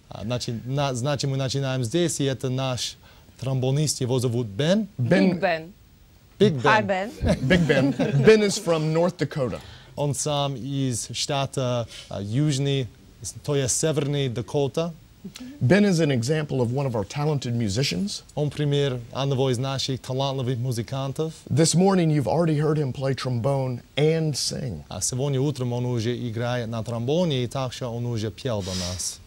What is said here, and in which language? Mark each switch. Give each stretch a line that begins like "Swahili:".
Russian: Значит, мы начинаем здесь, и это наш тромбонист. Его зовут Бен.
English: Big Ben. Big Ben. Hi, Ben. Big Ben. Ben is from North Dakota.
Russian: Он сам из штата Южный, то есть Северный Дакота.
English: Ben is an example of one of our talented musicians.
Russian: Он пример одного из наших талантливых музыкантов.
English: This morning you've already heard him play trombone and sing.
Russian: Сегодня утром он уже играет на тромбоне, и также он уже пел для нас.